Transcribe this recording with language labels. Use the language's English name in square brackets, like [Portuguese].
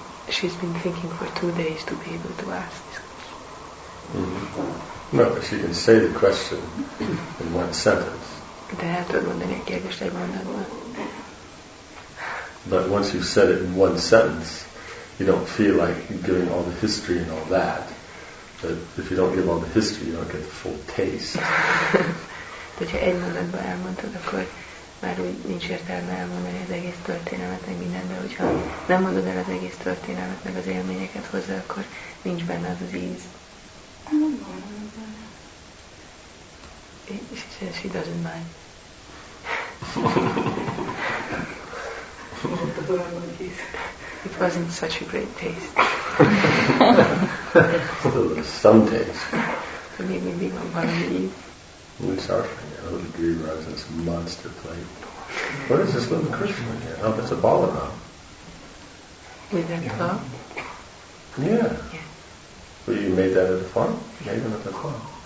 [English] She's been thinking for 2 days to be able to ask this question. Mm-hmm. No, she can say the question in one sentence. [Hungarian] De el tudod mondani a kérdést egy mondatban. [English] But once you've said it in one sentence, you don't feel like giving all the history and all that. But if you don't give all the history, you don't get the full taste. [Hungarian] De ha egy mondatban elmondtad, akkor már úgy nincs értelme elmondani az egész történelmet, meg minden, de hogyha nem mondod el az egész történelmet, meg az élményeket hozzá, akkor nincs benne az íz. [English] She doesn't mind. It wasn't such a great taste. Some taste. [Hungarian] So még mindig van valami ív. [English] Luis Arfanya, who the Guru has this monster plate. What is this little Krishna here? Oh, that's a Balaram. With that farm? Yeah. But you made that at the farm? Made them at the farm.